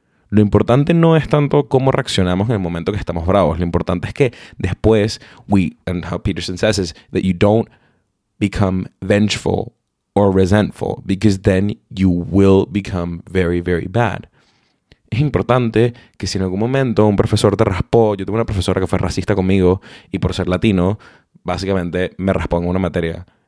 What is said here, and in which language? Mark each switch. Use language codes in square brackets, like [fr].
[es] Lo importante no es tanto cómo reaccionamos en el momento que estamos bravos. Lo importante es que después [en] and how Peterson says is that you don't become vengeful or resentful, because then you will become very, very bad. [es] Es importante que si en algún momento un profesor te raspó, yo tuve una profesora que fue racista conmigo, y por ser latino, básicamente me raspó en una materia.